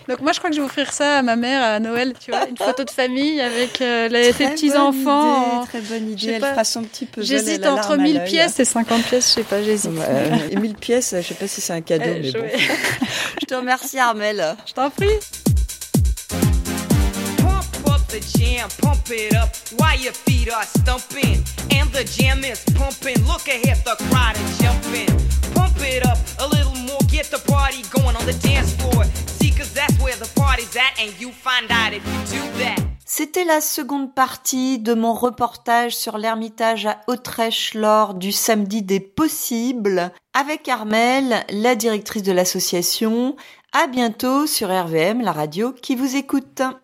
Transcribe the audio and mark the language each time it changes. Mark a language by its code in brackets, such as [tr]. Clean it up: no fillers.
[fr] Donc moi, je crois que je vais offrir ça à ma mère à Noël, tu vois, une photo de famille avec ses petits-enfants. Très bonne idée, elle fera son petit puzzle. J'hésite entre 1000 pièces et 50 pièces, je sais pas, j'hésite. Et 1000 pièces, je sais pas si c'est un cadeau, mais bon. Je te remercie, Armel. Je t'en prie. [en] The jam, pump it up while your feet are stumping. And the jam is pumping. Look ahead, the crowd is jumping. Pump it up a little more. Get the party going on the dance floor. See, cause that's where the party's at. And you find out if you do that. [fr] C'était la seconde partie de mon reportage sur l'Ermitage à Autrèche lors du samedi des possibles avec Armel, la directrice de l'association. À bientôt sur RVM, la radio qui vous écoute.